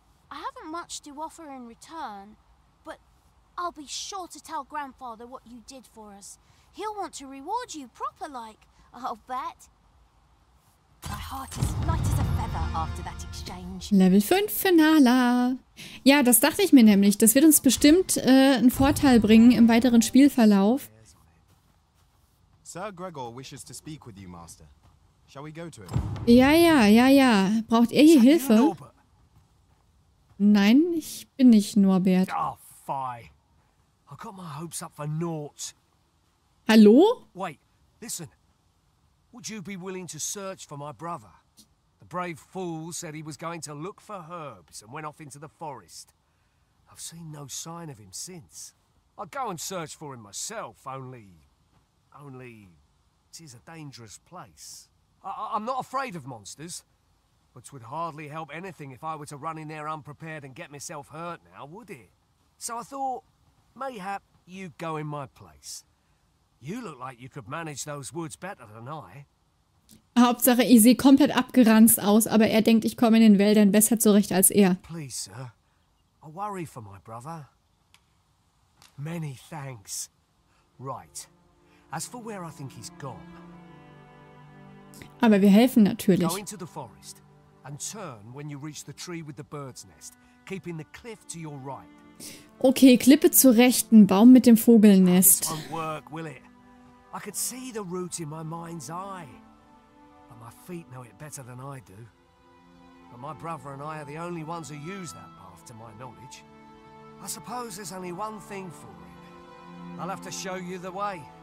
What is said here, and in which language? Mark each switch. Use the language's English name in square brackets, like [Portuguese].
[English] I haven't much to offer in return, but I'll be sure to tell Grandfather what you did for us. He'll want to reward you proper like, I'll bet. My heart is light as a feather after that exchange. [German] Level 5 Finale. Ja, das dachte ich mir nämlich. Das wird uns bestimmt einen Vorteil bringen im weiteren Spielverlauf. [English] Sir Gregor wishes to speak with you, Master. Shall we go to him? [German] Ja. Braucht er hier Hilfe? Nein, ich bin nicht Norbert. [English] Oh, fie. I got my hopes up for naught. [German] Hallo? [English] Wait, listen. Would you be willing to search for my brother? The brave fool said he was going to look for herbs and went off into the forest. I've seen no sign of him since. I'll go and search for him myself, only... Only, it is a dangerous place. I'm not afraid of monsters, but would hardly help anything if I were to run in there unprepared and get myself hurt now, would it? So I thought, mayhap you'd go in my place. You look like you could manage those woods better than I. [German] Hauptsache, ich sehe komplett abgeranzt aus, aber er denkt, ich komme in den Wäldern besser zurecht als er. [English] Please, sir. I worry for my brother. Many thanks. Right. As for where I think he's gone. [German] Aber wir helfen natürlich. [English] Go into the forest and turn when you reach the tree with the bird's nest, keeping the cliff to your right. [German] Okay, Klippe zur rechten, Baum mit dem Vogelnest. [English] This won't work, will it? I could see the route in my mind's eye, but my feet know it better than I do. But my brother and I are the only ones who use that path, to my knowledge. I suppose there's only one thing for it. I'll have to show you the way.